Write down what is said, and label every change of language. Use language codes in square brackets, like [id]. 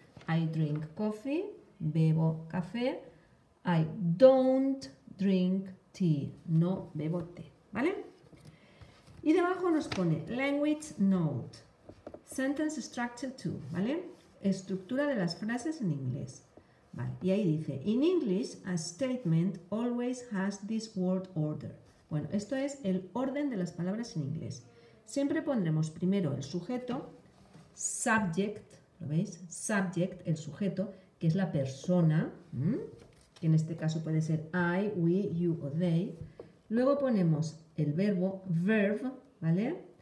[en] I drink coffee. [es] Bebo café. [en] I don't drink tea. [es] No bebo té. ¿Vale? Y debajo nos pone Language Note. [en] Sentence Structure 2. [es] ¿Vale? Estructura de las frases en inglés. ¿Vale? Y ahí dice, [en] In English, a statement always has this word order. [es] Bueno, esto es el orden de las palabras en inglés. Siempre pondremos primero el sujeto, subject, ¿lo veis? Subject, el sujeto, que es la persona, que en este caso puede ser I, we, you o they. Luego ponemos el verbo, verb, ¿vale?